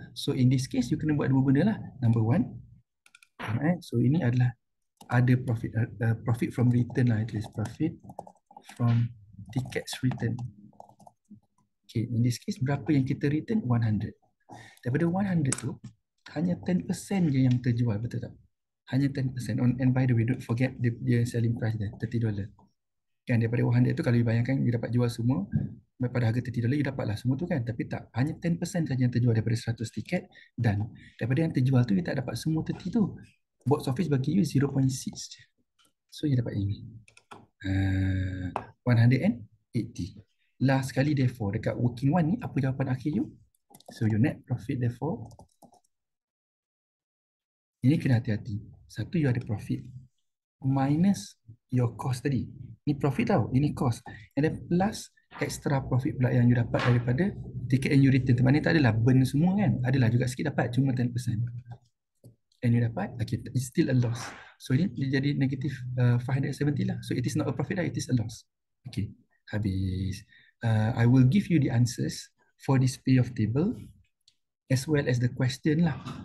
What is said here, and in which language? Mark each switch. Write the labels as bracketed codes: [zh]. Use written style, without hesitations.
[en] So in this case, you [ms] kena buat dua benda lah. [en] Number one, so ini adalah ada profit profit from return lah, at least profit from tickets return. Okay, in this case, [ms] berapa yang kita [en] return? 100. [ms] Daripada 100 tu, hanya 10% je yang terjual, betul tak? Hanya 10%. [en] And by the way, don't forget dia selling price dia, $30. [ms] Kan, daripada 100 tu, kalau you bayangkan, you dapat jual semua, pada harga $30, you dapatlah semua tu kan? Tapi tak, hanya 10% saja yang terjual daripada 100 tiket. Dan daripada yang terjual tu, you tak dapat semua 30 tu. [en] Box office bagi you 0.6 je. So, you dapat ini. [ms] 180. Last sekali, therefore, dekat working one ni, apa jawapan akhir you? [en] So, your net profit, therefore, [ms] ini kena hati-hati. Satu, you ada profit minus your cost tadi. Ni profit tau. Ini cost. [en] And then plus extra profit [ms] pula yang you dapat daripada [en] ticket and you return. [ms] Teman ni tak adalah burn semua kan. Adalah juga sikit dapat. Cuma 10%. [en] And you dapat, okay, it's still a loss. So [ms] ini dia jadi negatif 570 lah. [en] So it is not a profit lah. It is a loss. Okay. Habis. I will give you the answers for this payoff table as well as the question lah.